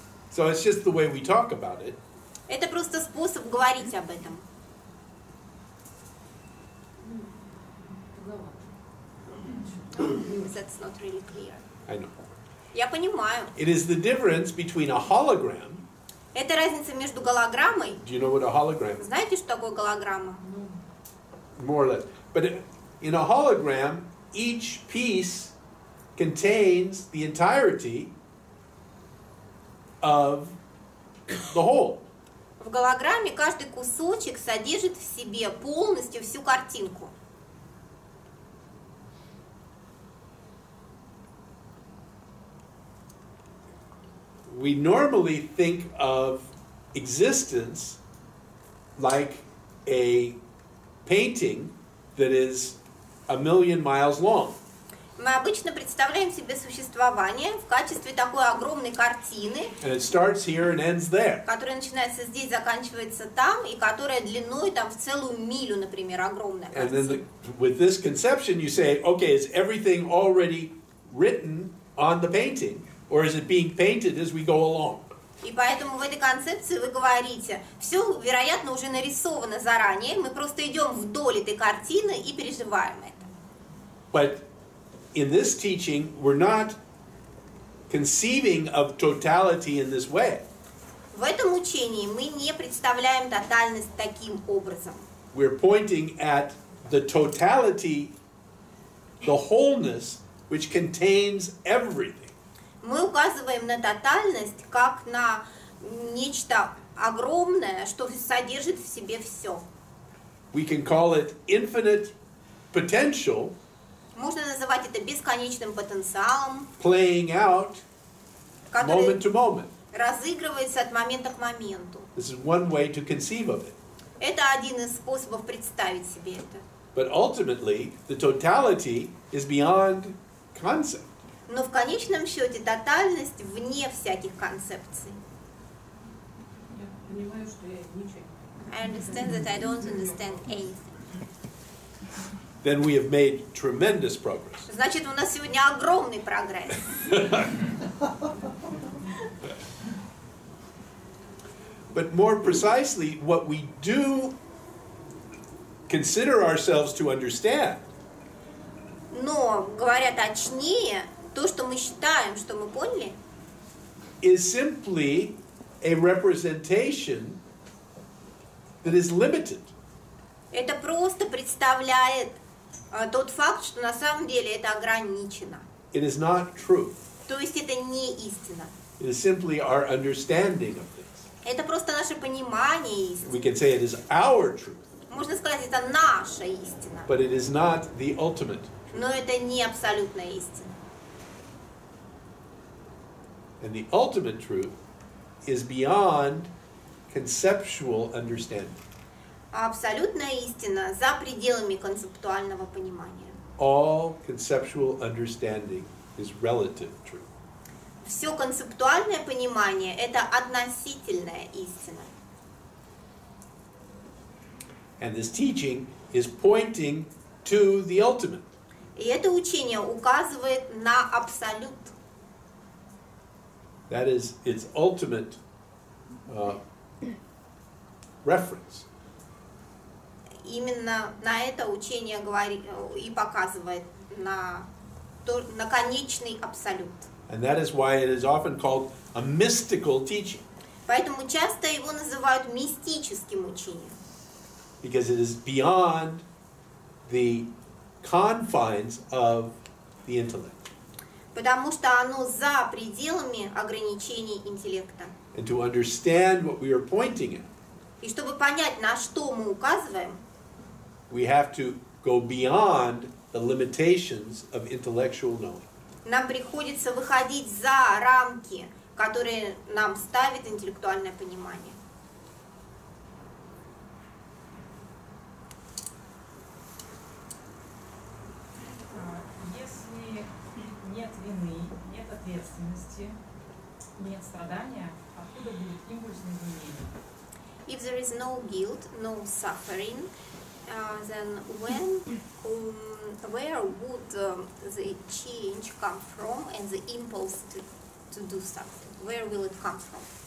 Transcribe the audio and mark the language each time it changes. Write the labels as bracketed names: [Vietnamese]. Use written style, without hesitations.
[English] So it's just the way we talk about it. [Russian] Это просто способ говорить об этом. [English] That's not really clear. I know. [Russian] Я понимаю. [English] It is the difference between a hologram. [Russian] Это разница между голограммой. [English] Do you know what a hologram is? [Russian] Знаете, что такое голограмма? [English] More or less. But in a hologram, each piece contains the entirety of the whole. [Russian] В голограмме каждый кусочек содержит в себе полностью всю картинку. [English] We normally think of existence like a painting that is a million miles long. [Russian] Мы обычно представляем себе существование в качестве такой огромной картины, [English] and it starts here and ends there. [Russian] Которая начинается здесь, заканчивается там, и которая длиной там в целую милю, например, огромная картина. [English] And then with this conception you say, okay, is everything already written on the painting, or is it being painted as we go along? [Russian] И поэтому в этой концепции вы говорите, все, вероятно, уже нарисовано заранее, мы просто идем вдоль этой картины и переживаем это. [English] But in this teaching, we're not conceiving of totality in this way. [Russian] В этом учении мы не представляем тотальность таким образом. [English] we're pointing at the totality, the wholeness, which contains everything. [Russian] Мы указываем на тотальность как на нечто огромное, что содержит в себе все. [English] We can call it infinite potential. [Russian] Можно называть это бесконечным потенциалом. [English] Playing out moment to moment. [Russian] Разыгрывается от момента к моменту. [English] This is one way to conceive of it. [Russian] Это один из способов представить себе это. [English] But ultimately, the totality is beyond concept. [Russian] Но в конечном счете тотальность вне всяких концепций. Я понимаю, что я ничего. [English] I understand that I don't understand anything. Then we have made tremendous progress. [Russian] Значит, у нас сегодня огромный прогресс. [English] But more precisely, what we do consider ourselves to understand. [Russian] Но, говоря точнее, то, что мы считаем, что мы поняли, [English] is simply a representation that is limited. [Russian] Это просто представляет тот факт, что на самом деле это ограничено. [English] It is not true. [Russian] То есть это не истина. [English] It is simply our understanding of things. [Russian] Это просто наше понимание истины. [English] We can say it is our truth. [Russian] Можно сказать, это наша истина. [English] But it is not the ultimate. [Russian] Но это не абсолютная истина. [English] And the ultimate truth is beyond conceptual understanding. [Russian] Абсолютная истина за пределами концептуального понимания. [English] All conceptual understanding is relative truth. [Russian] Все концептуальное понимание – это относительная истина. [English] And this teaching is pointing to the ultimate. [Russian] И это учение указывает на абсолют. [English] That is its ultimate reference. [Russian] Именно на это учение говорит и показывает на то, на конечный абсолют. [English] And that is why it is often called a mystical teaching. [Russian] Поэтому часто его называют мистическим учением. [English] Because it is beyond the confines of the intellect. [Russian] Потому что оно за пределами ограничений интеллекта. [English] And to understand what we are pointing at. [Russian] И чтобы понять, на что мы указываем, [English] we have to go beyond the limitations of intellectual knowing. [Russian] Нам приходится выходить за рамки, которые нам ставит интеллектуальное понимание. Если нет вины, нет ответственности, нет страдания, откуда будет импульс на изменение? [English] If there is no guilt, no suffering, then when, where would the change come from and the impulse to do something? Where will it come from?